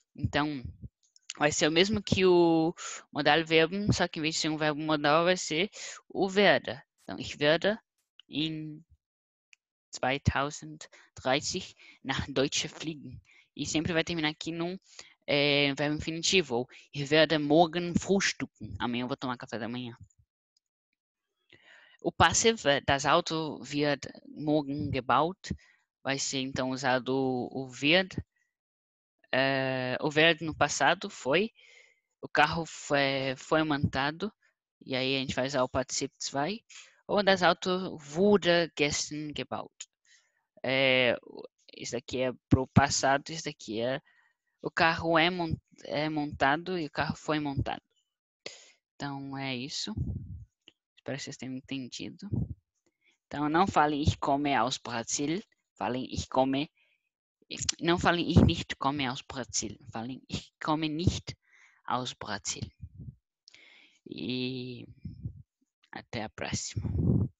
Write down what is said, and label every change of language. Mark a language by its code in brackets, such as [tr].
[pt] Então, vai ser o mesmo que o modal verbo, só que em vez de ser um verbo modal, vai ser o werde. [de] Então, ich werde in 2030 nach Deutsch fliegen. [pt] E sempre vai terminar aqui num verbo infinitivo. [de] Ou, ich werde morgen frühstücken. [pt] Amanhã eu vou tomar café da manhã. [de] O passive, das Auto wird morgen gebaut. [pt] Vai ser então usado o wird. O wird no passado foi. O carro foi montado. E aí a gente vai usar o Partizip 2. [de] Ou, das Auto wurde gestern gebaut. [pt] Isso daqui é pro passado, isso daqui é o carro é montado e o carro foi montado. Então é isso. Espero que vocês tenham entendido. Então não falem [de] ich komme aus Brasil, [pt] falem [de] ich komme. [pt] Não falem [de] ich nicht komme aus Brasil, [pt] falem [de] ich komme nicht aus Brasil. [pt] E até a próxima.